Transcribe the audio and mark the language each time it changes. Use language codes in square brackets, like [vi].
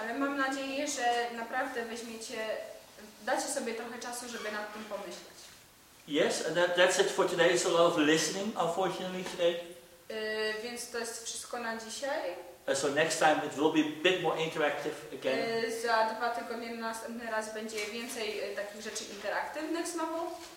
[pl] Ale mam nadzieję, że naprawdę dacie sobie trochę czasu, żeby nad tym pomyśleć. [en] Yes, and that's it for today. It's a lot of listening, unfortunately, today. [pl] Więc to jest wszystko na dzisiaj. [en] So next time it will be a bit more interactive again. [pl] Za 2 tygodnie następny raz będzie więcej takich rzeczy interaktywnych znowu.